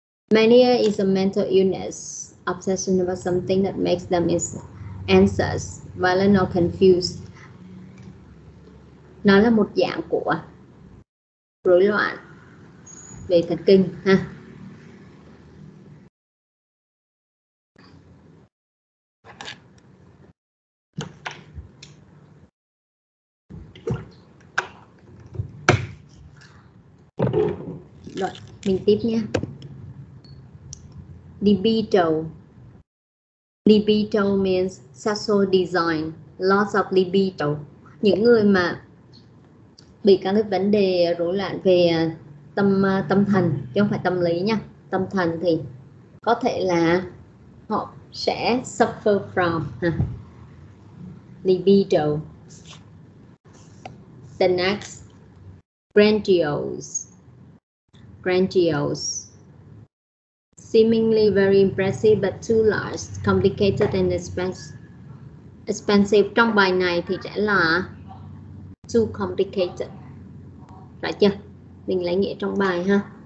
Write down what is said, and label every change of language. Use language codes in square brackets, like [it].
[en] Mania is a mental illness, obsession about something that makes them is anxious, violent or confused. [vi] Nó là một dạng của rối loạn về thần kinh ha. Rồi, mình tiếp nha. [en] Libido. Libido means sexual desire, loss of libido. [vi] Những người mà bị các cái vấn đề rối loạn về tâm thần, chứ không phải tâm lý nha, tâm thần thì có thể là họ sẽ [en] suffer from libido. The next, grandiose. Grandiose, seemingly very impressive but too large, complicated and expensive. [vi] Trong bài này thì sẽ là [en] too complicated, [vi] phải chưa? Mình lấy nghĩa trong bài ha.